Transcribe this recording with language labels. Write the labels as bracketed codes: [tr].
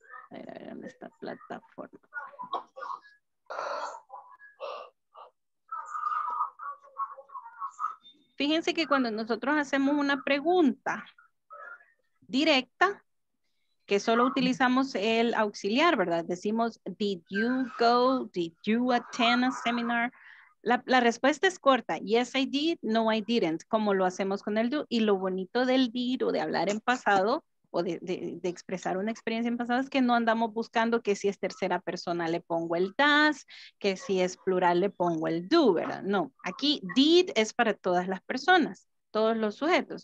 [es] A ver, ¿dónde está la plataforma? Fíjense que cuando nosotros hacemos una pregunta directa, que solo utilizamos el auxiliar, ¿verdad? Decimos, [en] did you go, did you attend a seminar? [es] La respuesta es corta. [en] Yes, I did. No, I didn't. [es] Como lo hacemos con el do. Y lo bonito del did o de hablar en pasado o de expresar una experiencia en pasado es que no andamos buscando que si es tercera persona le pongo el does, que si es plural le pongo el do, ¿verdad? No. Aquí did es para todas las personas, todos los sujetos.